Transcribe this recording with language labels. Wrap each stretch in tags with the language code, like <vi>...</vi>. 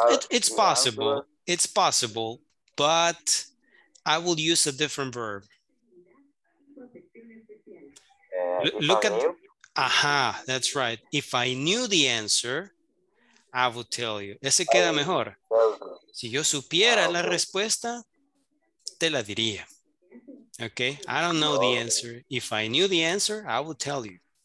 <en>It's possible. Answer. It's possible, but I will use a different verb. Look at, that's right. If I knew the answer, I would tell you.</en> <es>Ese queda mejor. Si yo supiera la respuesta, te la diría.</es> <en>Okay, I don't know the answer. If I knew the answer, I would tell you.</en>